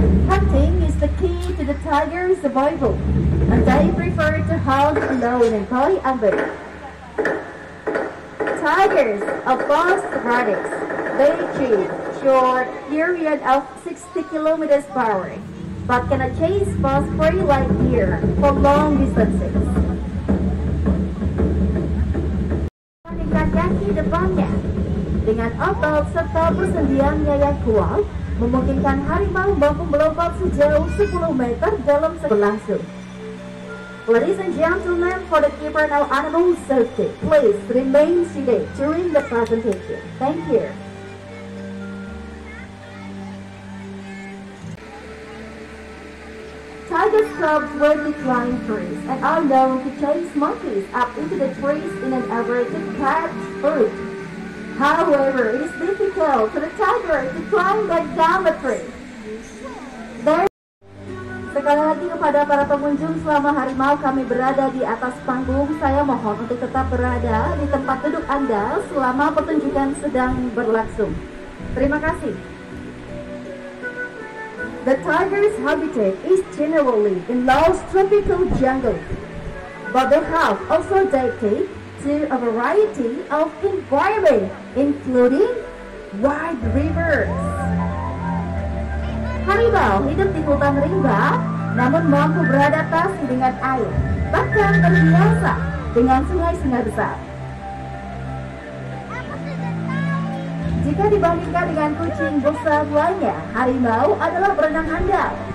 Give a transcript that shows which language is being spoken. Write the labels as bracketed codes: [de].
[en] Hunting is the key to the tiger's survival, and they prefer to hunt alone and by ambush. Tigers are fast runners. They achieve short period of 60 kilometers per hour, but can chase fast prey like deer for long distances. [id] Menggunakan kaki depannya dengan otot serta persendiannya yang kuat, memungkinkan harimau mampu melompat sejauh 10 meter dalam sekelasung. [en] Ladies and gentlemen, for the keeper of animal safety, please remain seated during the presentation. Thank you. Tiger cubs will be climbing trees and are known to chase monkeys up into the trees in an effort to catch food. However, it is difficult for the tiger to climb back down the tree. There. [id] kepada para pengunjung selama harimau kami berada di atas panggung, saya mohon untuk tetap berada di tempat duduk Anda selama pertunjukan sedang berlangsung. Terima kasih. [en] The tiger's habitat is generally in Laos tropical jungle, but they have also adapted to a variety of environment, including wide rivers. [id] Harimau hidup di hutan rimba, namun mampu beradaptasi dengan air, bahkan terbiasa dengan sungai-sungai besar. Jika dibandingkan dengan kucing besar lainnya, harimau adalah berenang handal.